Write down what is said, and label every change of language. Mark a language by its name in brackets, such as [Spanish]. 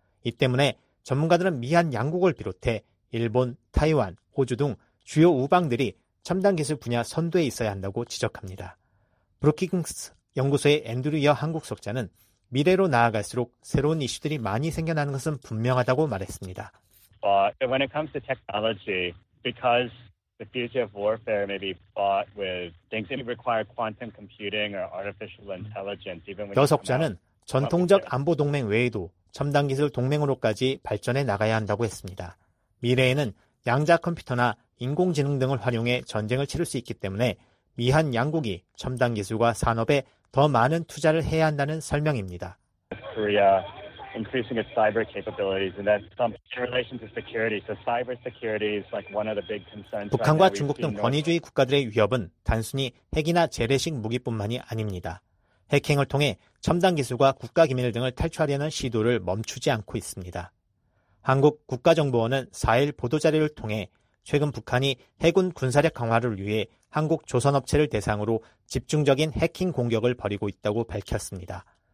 [Korean] 이 때문에 전문가들은 미한 양국을 비롯해 일본, 타이완, 호주 등 주요 우방들이 첨단 기술 분야 선두에 있어야 한다고 지적합니다. 브루킹스 연구소의 앤드류 여 한국 석좌는 미래로 나아갈수록 새로운 이슈들이 많이 생겨나는 것은 분명하다고 말했습니다. [English] When it comes to technology, because the future of warfare may be fought with things that require quantum computing or artificial intelligence, even when [Korean] 저석자는 전통적 안보 동맹 외에도 첨단 기술 동맹으로까지 발전해 나가야 한다고 했습니다. 미래에는 양자 컴퓨터나 인공지능 등을 활용해 전쟁을 치를 수 있기 때문에 미한 양국이 첨단 기술과 산업에 더 많은 투자를 해야 한다는 설명입니다. [English] Korea increasing its cyber capabilities and that's some relation to security. So cyber security is like one of the big concerns. [Korean] 북한과 중국 등 권위주의 국가들의 위협은 단순히 핵이나 재래식 무기뿐만이 아닙니다. 해킹을 통해 첨단 기술과 국가 기밀 등을 탈취하려는 시도를 멈추지 않고 있습니다. 한국 국가정보원은 4일 보도자료를 통해 최근 북한이 해군 군사력 강화를 위해 한국 조선업체를 대상으로 집중적인 해킹 공격을 벌이고 있다고 밝혔습니다.